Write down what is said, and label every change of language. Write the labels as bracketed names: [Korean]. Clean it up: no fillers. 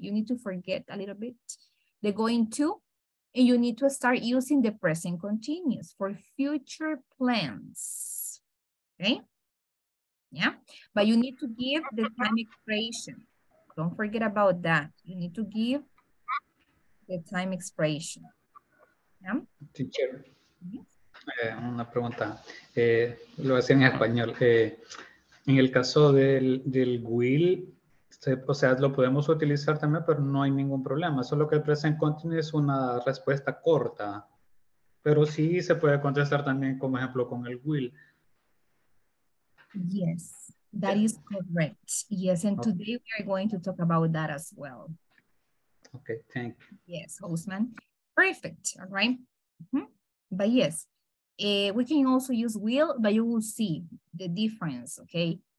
[English] You need to forget a little bit the going to, and you need to start using the present continuous for future plans, okay? Yeah, but you need to give the time expiration. Don't forget about that. You need to give the time expiration, yeah? Teacher. [Spanish] Una pregunta, lo voy a decir en español, en el caso del will, o sea, lo podemos utilizar también, pero no hay ningún problema, solo que el present continuous es una respuesta corta, pero sí se puede contestar también como ejemplo con el will. [English] Yes, that is correct. Yes, and today we are going to talk about that as well. Okay, thank you. Yes, Osman. Perfect, all right. Mm-hmm. But yes. We can also use will, but you will see the difference, okay?